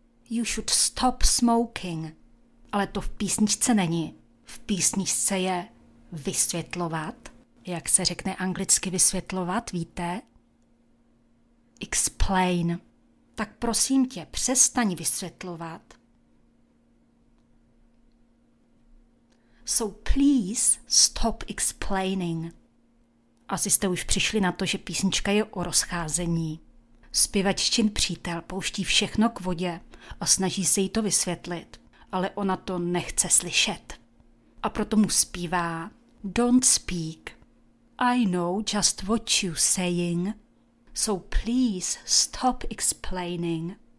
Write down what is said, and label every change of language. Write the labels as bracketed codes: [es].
[en] You should stop smoking. [cs] Ale to v písničce není. V písničce je vysvětlovat. Jak se řekne anglicky vysvětlovat, víte? Explain. Tak prosím tě, přestaň vysvětlovat. [en] So please stop explaining. [cs] Asi jste už přišli na to, že písnička je o rozcházení. Zpěvaččin přítel pouští všechno k vodě a snaží se jí to vysvětlit, ale ona to nechce slyšet. A proto mu zpívá [en] Don't speak. I know just what you're saying. So please stop explaining.